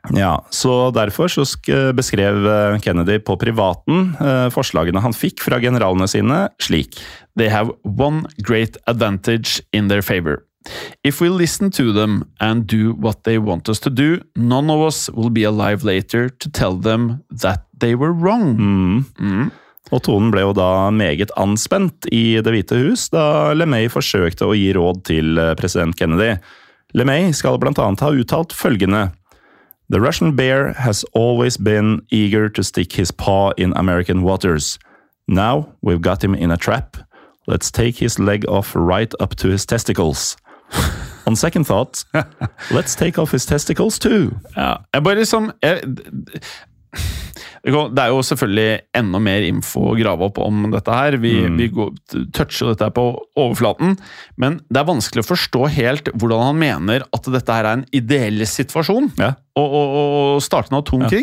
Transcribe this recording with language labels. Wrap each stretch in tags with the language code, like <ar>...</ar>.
<no>Ja, så derfor så beskrev Kennedy på privaten forslagene han fikk fra generalene sine slik.</no> <en>They have one great advantage in their favor. If we listen to them and do what they want us to do, none of us will be alive later to tell them that they were wrong.</en> <no>Og tonen ble jo da meget anspent i Det Hvite Hus da LeMay forsøkte å gi råd til president Kennedy. LeMay skal blant annet ha uttalt følgende. The Russian bear has always been eager to stick his paw in American waters. Now we've got him in a trap. Let's take his leg off right up to his testicles. On second thought, let's take off his testicles too. Ja, jeg bare liksom... Det er jo selvfølgelig enda mer info å grave opp om dette her. Vi toucher dette her på overflaten. Men det er vanskelig å forstå helt hvordan han mener at dette her en ideell situasjon. Ja. Og starte en atomkrig.</no>